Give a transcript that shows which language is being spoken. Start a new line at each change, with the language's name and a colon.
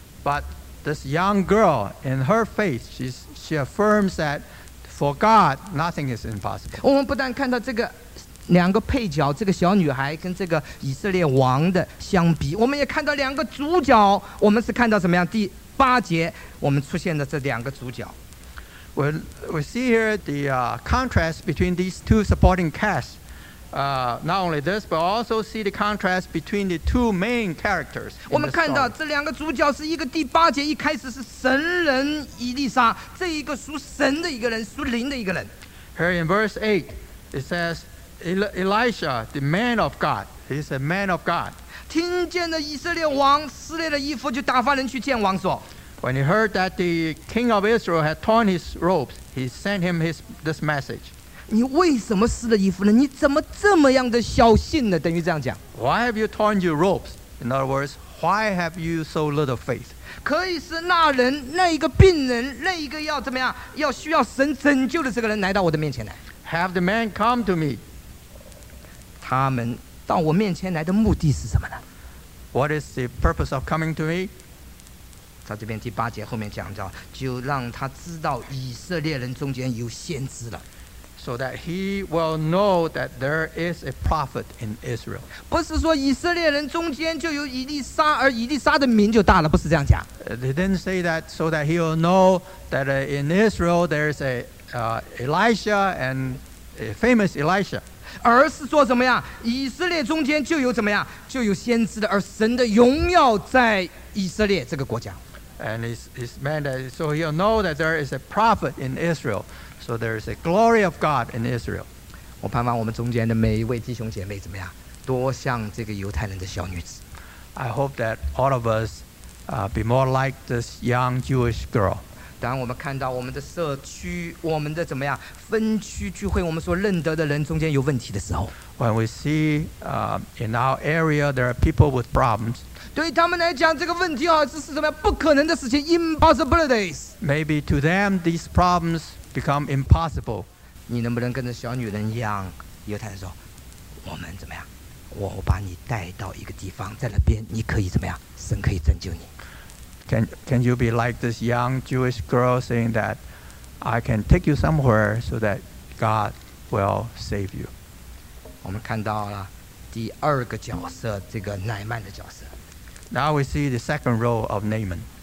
English: But this young girl, in her faith, she affirms that for God, nothing is impossible.
Chinese: 我们不但看到这个两个配角，这个小女孩跟这个以色列王的相比，我们也看到两个主角，我们是看到怎么样？第八节我们出现的这两个主角。
English: We see here the contrast between these two supporting casts. Not only this, but also see the contrast between the two main characters.
Chinese: 我们看到这两个主角是一个第八节，一开始是神人以利沙，这一个属神的一个人，属灵的一个人。
English: Here in verse 8, it says, Elisha, the man of God, he's a man of God.
Chinese: 听见了以色列王撕裂了衣服，就打发人去见王说。
English: When he heard that the king of Israel had torn his robes, he sent him this message.
Chinese: 你为什么撕了衣服呢？你怎么这么样的小信呢？等于这样讲。
English: Why have you torn your robes? In other words, why have you so little faith?
Chinese: 可以是那人，那一个病人，那一个要怎么样，要需要神拯救的这个人来到我的面前来。
English: Have the man come to me.
Chinese: 他们到我面前来的目的是什么呢？
English: What is the purpose of coming to me?
Chinese: 在这边第八节后面讲到，就让他知道以色列人中间有先知了。
English: So that he will know that there is a prophet in Israel.
Chinese: 不是说以色列人中间就有以利沙，而以利沙的名就大了，不是这样讲。
English: They didn't say that so that he will know that in Israel there is a Elisha and a famous Elisha.
Chinese: 而是说怎么样，以色列中间就有怎么样，就有先知的，而神的荣耀在以色列这个国家。
English: And it's meant that so he'll know that there is a prophet in Israel, so there is a glory of God in Israel.
Chinese: 我盼望我们中间的每一位弟兄姐妹怎么样，多像这个犹太人的小女子。
English: I hope that all of us be more like this young Jewish girl.
Chinese: 当我们看到我们的社区，我们的怎么样分区聚会，我们所认得的人中间有问题的时候
English: ，When we see in our area there are people with problems，
Chinese: 对他们来讲这个问题啊，这是什么不可能的事情 ，impossibilities。
English: Maybe to them these problems become impossible。
Chinese: 你能不能跟着小女人一样，犹太人说，我们怎么样？我把你带到一个地方，在那边你可以怎么样？神可以拯救你。
English: Can you be like this young Jewish girl saying that I can take you somewhere so that God will save you?
Chinese: 我们看到了第二个角色，这个乃曼的角色。
English: Now we see the second role of Naaman.